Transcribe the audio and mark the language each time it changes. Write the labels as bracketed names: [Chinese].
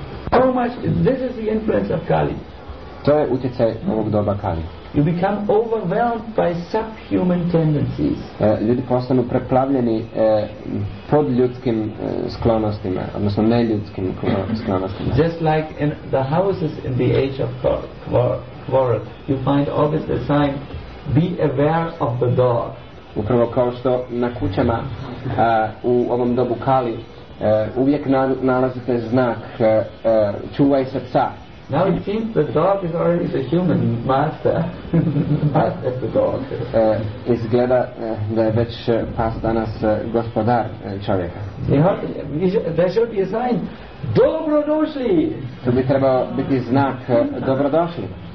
[English] How much, this is the influence of Kali. [Croatian] To je utjecaj ovog doba Kali. [English] You become overwhelmed by subhuman tendencies. [Croatian] Ljudi postanu preplavljeni podljudskim sklonostima, odnosno neljudskim sklonostima. [English] Just like in the houses in the age of Quarrel, you find always the sign, be aware of the dog. [Croatian] Upravo kao što na kućama u ovom dobu Kali uvijek nalazite znak čuvaj se psa. [English] Now it seems the dog is already the human master. Master the dog. [Croatian] Izgleda da je već pas danas gospodar čovjeka. [English] There should be a sign, [Croatian] dobrodošli! To bi trebao biti znak dobrodošli.